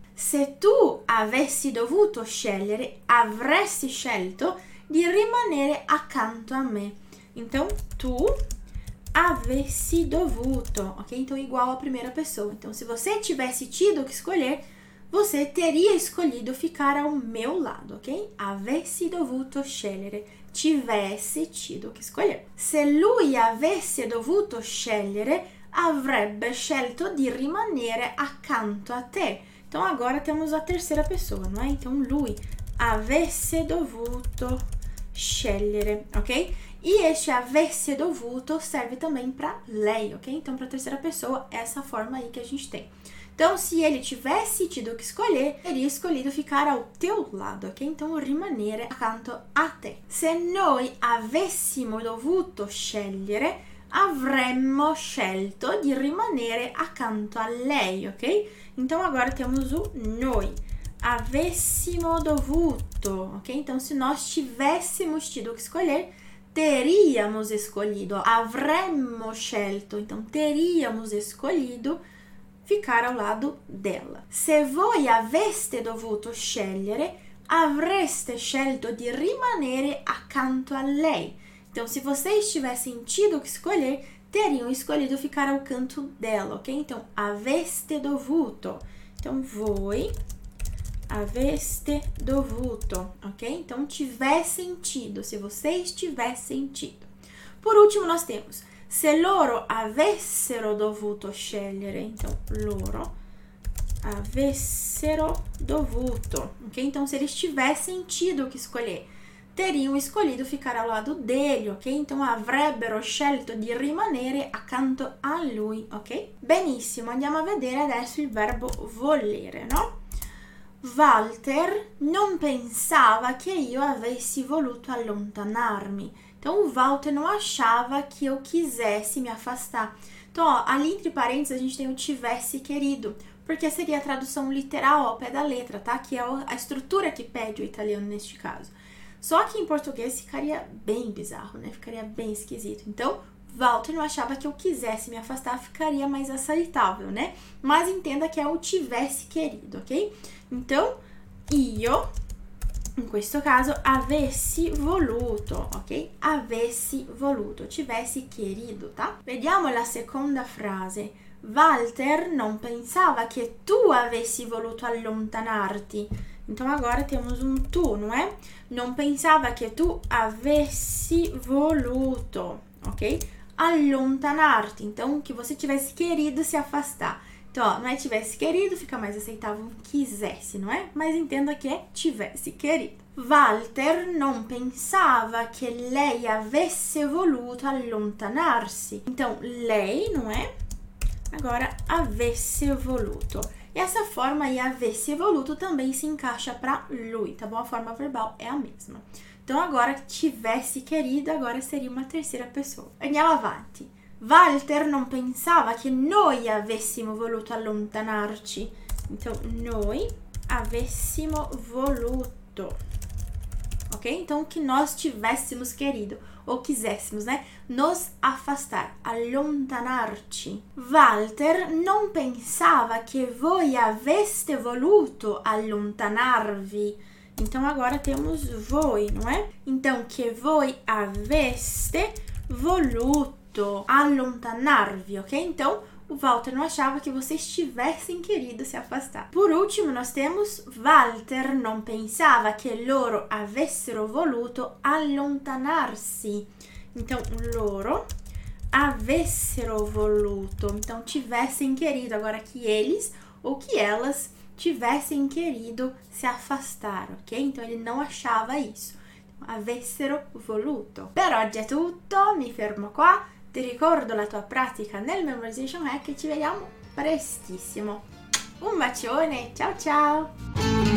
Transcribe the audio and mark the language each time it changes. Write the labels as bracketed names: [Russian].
[Italian] Se tu avessi dovuto scegliere, avresti scelto di rimanere accanto a me. [Portuguese] Então, [Italian] tu avessi dovuto, ok? [Portuguese] Então, igual à primeira pessoa. Então, se você tivesse tido que escolher, você teria escolhido ficar ao meu lado, ok? [Italian] Avessi dovuto scegliere. [Portuguese] Tivesse tido que escolher. [Italian] Se lui avesse dovuto scegliere, avrebbe scelto di rimanere accanto a te. [Portuguese] Então agora temos a terceira pessoa, não é? Então [Italian] lui avesse dovuto scegliere, [Portuguese] ok? E este avesse dovuto serve também para lei, ok? Então para terceira pessoa, essa forma aí que a gente tem. Então, se ele tivesse tido que escolher, teria escolhido ficar ao teu lado, ok? Então, [Italian] rimanere accanto a te. Se noi avessimo dovuto scegliere, avremmo scelto di rimanere accanto a lei, ok? [Portuguese] Então, agora temos o noi. Avessimo dovuto, ok? Então, se nós tivéssemos tido que escolher, teríamos escolhido. [Italian] Avremmo scelto, [Portuguese] então, teríamos escolhido ficar ao lado dela. [Italian] Se voi aveste dovuto scegliere, avreste scelto di rimanere accanto a lei. [Portuguese] Então, se vocês tivessem tido que escolher, teriam escolhido ficar ao canto dela, ok? Então, [Italian] aveste dovuto. [Portuguese] Então, [Italian] voi aveste dovuto, ok? [Portuguese] Então, tivessem tido, se vocês tivessem tido. Por último, nós temos. [Italian] Se loro avessero dovuto scegliere, [Portuguese] então [Italian] loro avessero dovuto, ok? [Portuguese] Então, se eles tivessem tido che escolher, teriam escolhido ficar ao lado dele, ok? Então, [Italian] avrebbero scelto di rimanere accanto a lui, ok? Benissimo, andiamo a vedere adesso il verbo volere, no? Walter non pensava che io avessi voluto allontanarmi. [Portuguese] Então, o Walter não achava que eu quisesse me afastar. Então, ó, ali entre parênteses a gente tem o tivesse querido, porque seria a tradução literal ao pé da letra, tá? Que é a estrutura que pede o italiano neste caso. Só que em português ficaria bem bizarro, né? Ficaria bem esquisito. Então, Walter não achava que eu quisesse me afastar, ficaria mais aceitável, né? Mas entenda que é o tivesse querido, ok? Então, io. [Italian] In questo caso, avessi voluto, ok? Avessi voluto, [Portuguese] tivessi querido, tá? [Italian] Vediamo la seconda frase. Walter non pensava che tu avessi voluto allontanarti. [Portuguese] Então, agora temos um tu, não é? [Italian] Non pensava che tu avessi voluto, ok? Allontanarti. [Portuguese] Então, che você tivesse querido se afastar. Então, ó, não é tivesse querido, fica mais aceitável quisesse, não é? Mas entenda que é tivesse querido. [Italian] Walter non pensava che lei avesse voluto allontanarsi. [Portuguese] Então, lei, não é? Agora, avesse voluto. E essa forma aí, avesse voluto, também se encaixa para lui, tá bom? A forma verbal é a mesma. Então, agora, tivesse querido, agora seria uma terceira pessoa. [Italian] Andiamo avanti. Walter non pensava che noi avessimo voluto allontanarci. [Portuguese] Então, [Italian] noi avessimo voluto. Ok? [Portuguese] Então, o que nós tivéssemos querido ou quiséssemos, né? Nos afastar, allontanarci. [Italian] Walter non pensava che voi aveste voluto allontanarvi. [Portuguese] Então, agora temos voi, não é? Então, [Italian] che voi aveste voluto allontanarvi, ok? [Portuguese] Então, o Walter não achava que vocês tivessem querido se afastar. Por último, nós temos [Italian] Walter non pensava che loro avessero voluto allontanarsi. [Portuguese] Então, [Italian] loro avessero voluto. [Portuguese] Então, tivessem querido. Agora, que eles ou que elas tivessem querido se afastar, ok? Então, ele não achava isso. [Italian] Avessero voluto. Per oggi è tutto, mi fermo qua. Ti ricordo la tua pratica nel Memorization Hack e ci vediamo prestissimo. Un bacione, ciao ciao!